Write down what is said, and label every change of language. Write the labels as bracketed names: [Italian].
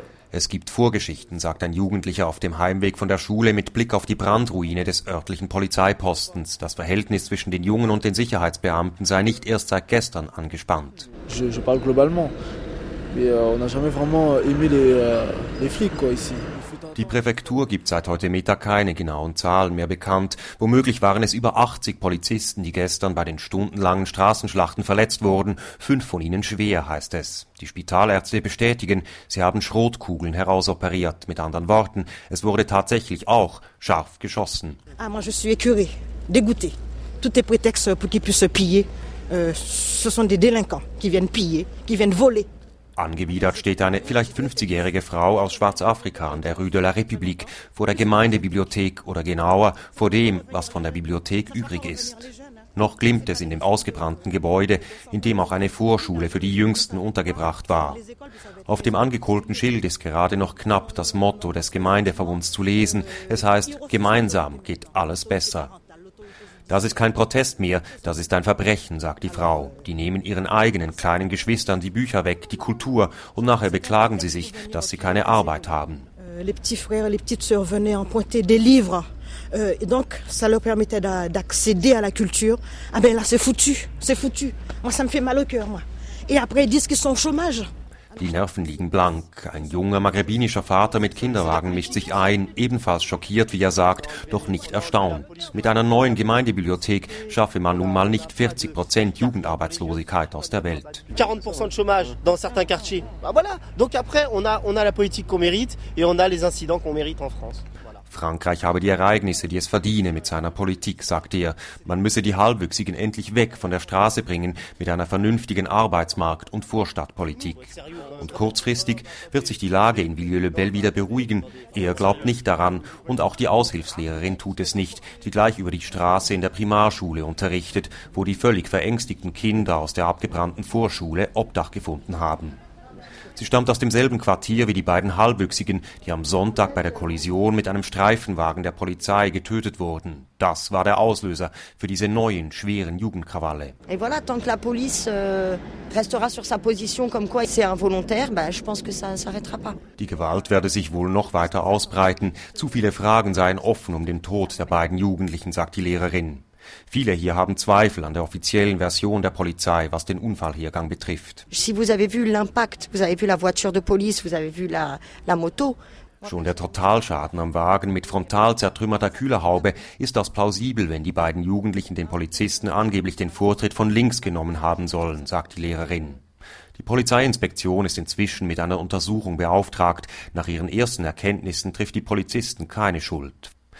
[German] Es gibt Vorgeschichten, sagt ein Jugendlicher auf dem Heimweg von der Schule mit Blick auf die Brandruine des örtlichen Polizeipostens. Das Verhältnis zwischen den Jungen und den Sicherheitsbeamten sei nicht erst seit gestern angespannt. [French] Je parle globalement. On a jamais vraiment aimé les flics, quoi, ici. [German] Die Präfektur gibt seit heute Mittag keine genauen Zahlen mehr bekannt. Womöglich waren es über 80 Polizisten, die gestern bei den stundenlangen Straßenschlachten verletzt wurden. 5 von ihnen schwer, heißt es. Die Spitalärzte bestätigen, sie haben Schrotkugeln herausoperiert. Mit anderen Worten, es wurde tatsächlich auch scharf geschossen. [French] Ah, moi je suis écœuré, dégoûté. Tout est prétexte pour qu'ils puissent piller. Ce sont des délinquants qui viennent piller, qui viennent voler. [German] Angewidert steht eine vielleicht 50-jährige Frau aus Schwarzafrika an der Rue de la République vor der Gemeindebibliothek oder genauer vor dem, was von der Bibliothek übrig ist. Noch glimmt es in dem ausgebrannten Gebäude, in dem auch eine Vorschule für die Jüngsten untergebracht war. Auf dem angekohlten Schild ist gerade noch knapp das Motto des Gemeindeverbunds zu lesen. Es heißt, gemeinsam geht alles besser. Das ist kein Protest mehr, das ist ein Verbrechen, sagt die Frau. Die nehmen ihren eigenen kleinen Geschwistern die Bücher weg, die Kultur, und nachher beklagen sie sich, dass sie keine Arbeit haben. [French] Les petits frères, les petites sœurs venaient emprunter des livres. Donc, ça leur permettait d'accéder à la culture. Ah ben là, c'est foutu. Moi, ça me fait mal au cœur, moi. Et après, ils disent qu'ils sont au chômage. [German] Die Nerven liegen blank. Ein junger maghrebinischer Vater mit Kinderwagen mischt sich ein, ebenfalls schockiert, wie er sagt, doch nicht erstaunt. Mit einer neuen Gemeindebibliothek schaffe man nun mal nicht 40% Jugendarbeitslosigkeit aus der Welt. [French] 40% chômage dans certains quartiers. Bah voilà. Donc après on a la politique qu'on mérite et on a les incidents qu'on mérite en France. [German] Frankreich habe die Ereignisse, die es verdiene mit seiner Politik, sagt er. Man müsse die Halbwüchsigen endlich weg von der Straße bringen mit einer vernünftigen Arbeitsmarkt- und Vorstadtpolitik. Und kurzfristig wird sich die Lage in Villiers-le-Bel wieder beruhigen. Er glaubt nicht daran und auch die Aushilfslehrerin tut es nicht, die gleich über die Straße in der Primarschule unterrichtet, wo die völlig verängstigten Kinder aus der abgebrannten Vorschule Obdach gefunden haben. Sie stammt aus demselben Quartier wie die beiden Halbwüchsigen, die am Sonntag bei der Kollision mit einem Streifenwagen der Polizei getötet wurden. Das war der Auslöser für diese neuen, schweren Jugendkrawalle. [French] Et voilà, tant que la police restera sur sa position comme quoi c'est involontaire, ben je pense que ça s'arrêtera pas. [German] Die Gewalt werde sich wohl noch weiter ausbreiten. Zu viele Fragen seien offen um den Tod der beiden Jugendlichen, sagt die Lehrerin. Viele hier haben Zweifel an der offiziellen Version der Polizei, was den Unfallhergang betrifft. [French] Si vous avez vu l'impact, vous avez vu la voiture de police, vous avez vu la moto. [German] Schon der Totalschaden am Wagen mit frontal zertrümmerter Kühlerhaube ist das plausibel, wenn die beiden Jugendlichen den Polizisten angeblich den Vortritt von links genommen haben sollen, sagt die Lehrerin. Die Polizeiinspektion ist inzwischen mit einer Untersuchung beauftragt. Nach ihren ersten Erkenntnissen trifft die Polizisten keine Schuld.